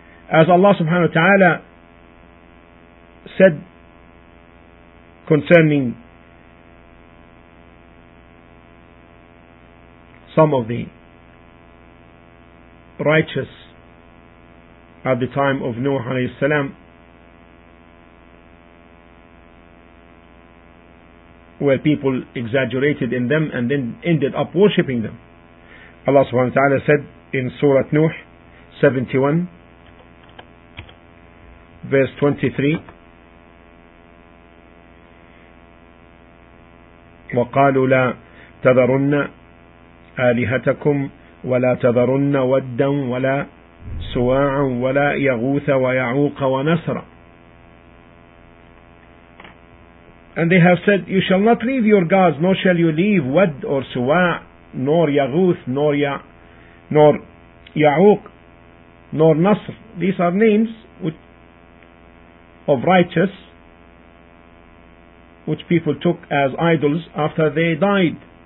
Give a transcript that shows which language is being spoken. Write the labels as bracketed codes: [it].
[en] As Allah subhanahu wa ta'ala said concerning some of the righteous at the time of Nuh alayhi salam, where people exaggerated in them and then ended up worshipping them. Allah subhanahu wa ta'ala said in Surah Nuh 71 verse 23, [ar] وَقَالُوا لَا تَذَرُنَّ آلِهَتَكُمْ وَلَا تَذَرُنَّ وَدًّا وَلَا سُوَاعًا وَلَا يَغُوثَ وَيَعُوقَ وَنَسْرًا. [en] And they have said, you shall not leave your gods, nor shall you leave Wad or Suwa, nor Yaghuth, nor Ya'uq, nor Nasr. These are names of righteous, which people took as idols after they died.